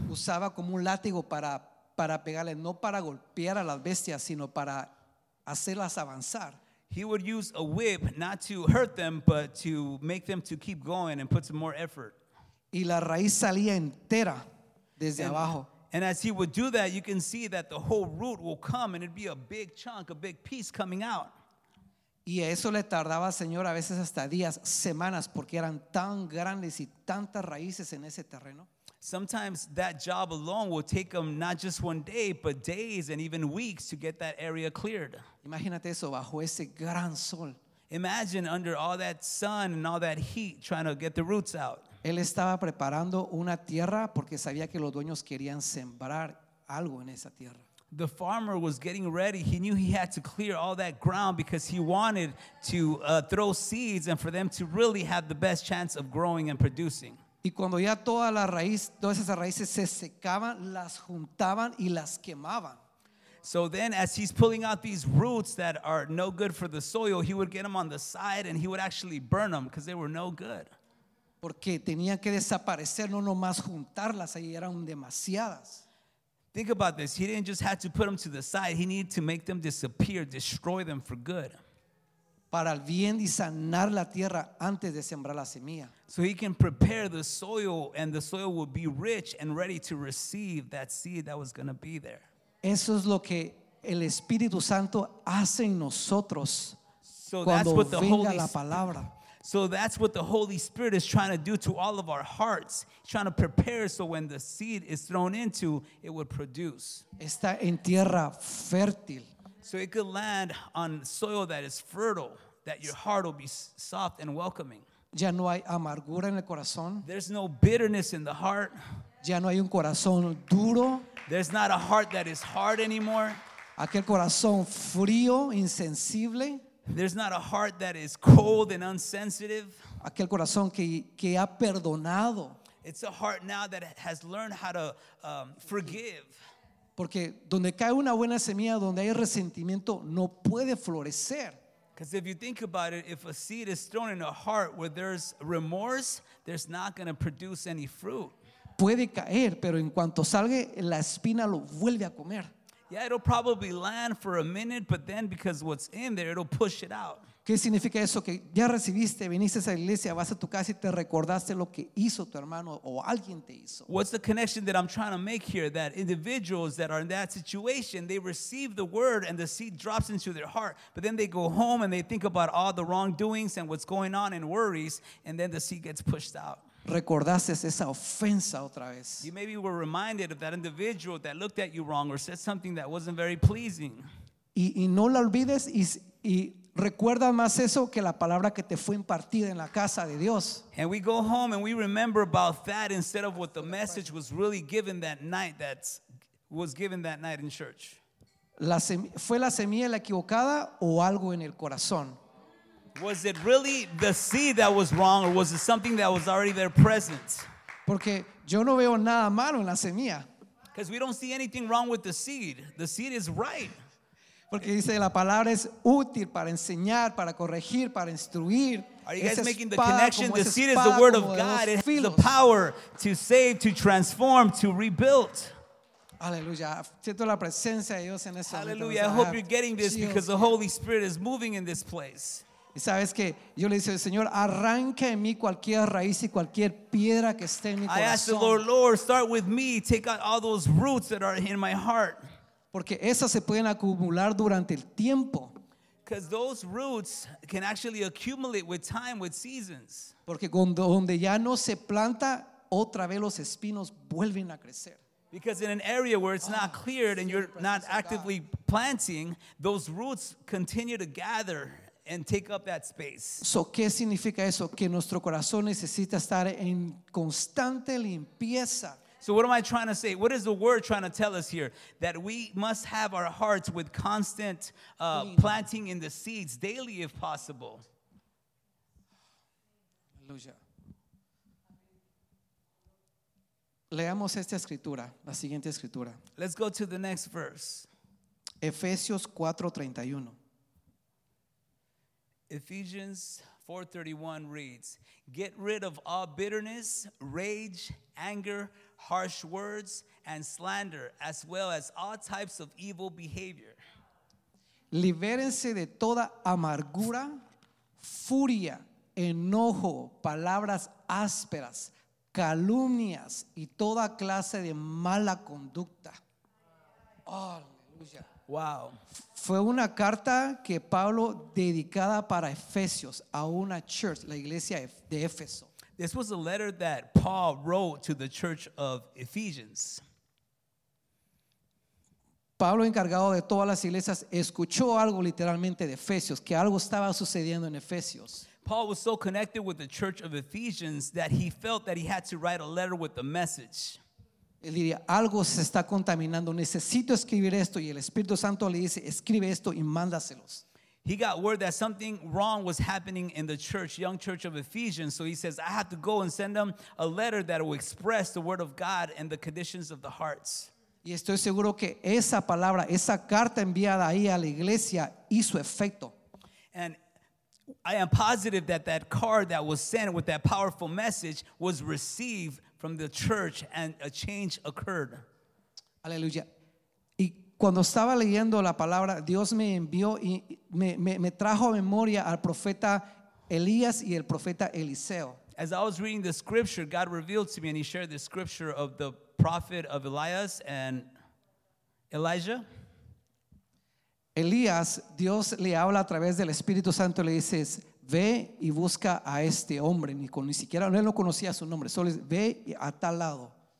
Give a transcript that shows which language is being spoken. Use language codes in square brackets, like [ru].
[es] usaba como un látigo para pegarle, no para golpear a las bestias, sino para hacerlas avanzar. [en] He would use a whip not to hurt them, but to make them to keep going and put some more effort. [es] Y la raíz salía entera desde abajo. [en] And as he would do that, you can see that the whole root will come and it'd be a big chunk, a big piece coming out. [es] Y eso le tardaba, señor, a veces hasta días, semanas, porque eran tan grandes y tantas raíces en ese terreno. [en] Sometimes that job alone will take them not just one day, but days and even weeks to get that area cleared. [es] Imagínate eso bajo ese gran sol. [en] Imagine under all that sun and all that heat trying to get the roots out. [es] Él estaba preparando una tierra porque sabía que los dueños querían sembrar algo en esa tierra. [en] The farmer was getting ready. He knew he had to clear all that ground because he wanted to throw seeds and for them to really have the best chance of growing and producing. [es] Y cuando ya toda la raíz, todas esas raíces se secaban, las juntaban y las quemaban. [en] So then as he's pulling out these roots that are no good for the soil, he would get them on the side and he would actually burn them because they were no good. [es] Porque tenían que desaparecer, no nomás juntarlas, ahí eran demasiadas. [en] Think about this, he didn't just have to put them to the side, he needed to make them disappear, destroy them for good. [es] Para el bien y sanar la tierra antes de sembrar la semilla. [en] So he can prepare the soil and the soil will be rich and ready to receive that seed that was going to be there. [es] Eso es lo que el Espíritu Santo hace en nosotros [en] so [es] cuando [en] that's what [es] venga [en] the Holy [es] la palabra. [en] So that's what the Holy Spirit is trying to do to all of our hearts. He's trying to prepare so when the seed is thrown into, it would produce. [es] Está en tierra fértil. [en] So it could land on soil that is fertile, that your heart will be soft and welcoming. [es] Ya no hay amargura en el corazón. [en] There's no bitterness in the heart. [es] Ya no hay un corazón duro. [en] There's not a heart that is hard anymore. [es] Aquel corazón frío, insensible. [en] There's not a heart that is cold and unsensitive. [es] Aquel corazón que ha perdonado. [en] It's a heart now that has learned how to forgive. [es] Porque donde cae una buena semilla, donde hay resentimiento, no puede florecer. [en] Because if you think about it, if a seed is thrown in a heart where there's remorse, there's not going to produce any fruit. [es] Puede caer, pero en cuanto salga, la espina lo vuelve a comer. [en] Yeah, it'll probably land for a minute, but then because what's in there, it'll push it out. [es] ¿Qué significa eso? Que ya recibiste, viniste a esa iglesia, vas a tu casa y te recordaste lo que hizo tu hermano o alguien te hizo. [en] What's the connection that I'm trying to make here? That individuals that are in that situation, they receive the word and the seed drops into their heart, but then they go home and they think about all the wrongdoings and what's going on and worries, and then the seed gets pushed out. [es] Recordaste esa ofensa otra vez. [en] You maybe were reminded of that individual that looked at you wrong or said something that wasn't very pleasing. [es] Y no la olvides y recuerda más eso que la palabra que te fue impartida en la casa de Dios. [en] And we go home and we remember about that instead of what the message was really given that night, that was given that night in church. [es] ¿Fue la semilla la equivocada o algo en el corazón? [en] Was it really the seed that was wrong, or was it something that was already there present? [es] Porque yo no veo nada malo en la semilla. [en] Because we don't see anything wrong with the seed. The seed is right. [es] Porque dice la palabra es útil para enseñar, para corregir, para instruir. [en] Are you guys making the connection? The seed is the word of God. It has the power to save, to transform, to rebuild. Hallelujah. I hope you're getting this because the Holy Spirit is moving in this place. [es] Y sabes que yo le dije al Señor, arranca en mí cualquier raíz y cualquier piedra que esté en mi corazón. [en] I asked the Lord, Lord, start with me, take out all those roots that are in my heart. [es] Porque esas se pueden acumular durante el tiempo. [en] Because those roots can actually accumulate with time, with seasons. [es] Porque donde ya no se planta, otra vez los espinos vuelven a crecer. [en] Because in an area where it's not cleared and you're not actively planting, those roots continue to gather and take up that space. [es] So, ¿qué significa eso? Que nuestro corazón necesita estar en constante limpieza. [en] So, what am I trying to say? What is the word trying to tell us here? That we must have our hearts with constant planting in the seeds daily, if possible. [es] Aleluya. Leamos esta escritura, la siguiente escritura. [en] Let's go to the next verse. [es] Efesios 4:31. [en] Ephesians 4:31 reads, "Get rid of all bitterness, rage, anger, harsh words, and slander, as well as all types of evil behavior." [es] Libérense de toda amargura, furia, enojo, palabras ásperas, calumnias, y toda clase de mala conducta. Aleluya. [en] Wow. [es] Fue una carta que Pablo dedicada para Efesios, a una church, la iglesia de Éfeso. [en] This was a letter that Paul wrote to the church of Ephesians. [es] Pablo, encargado de todas las iglesias, escuchó algo literalmente de Efesios, que algo estaba sucediendo en Efesios. [en] Paul was so connected with the church of Ephesians that he felt that he had to write a letter with a message. [es] Él diría, algo se está contaminando, necesito escribir esto, y el Espíritu Santo le dice, escribe esto y mándaselos. [en] He got word that something wrong was happening in the church, young church of Ephesians. So he says, I have to go and send them a letter that will express the word of God and the conditions of the hearts. [es] Y estoy seguro que esa palabra, esa carta enviada ahí a la iglesia hizo efecto. [en] And I am positive that that card that was sent with that powerful message was received from the church and a change occurred. [es] Aleluya. Y cuando estaba leyendo la palabra, Dios me envió y me trajo a memoria al profeta Elías y el profeta Eliseo. [en] As I was reading the scripture, God revealed to me and he shared the scripture of the prophet of Elias and Elijah. [es] Elías, Dios le habla a través del Espíritu Santo, le dices, ve y busca a este hombre, ni siquiera, él no conocía su nombre, solo dice, ve a tal lado.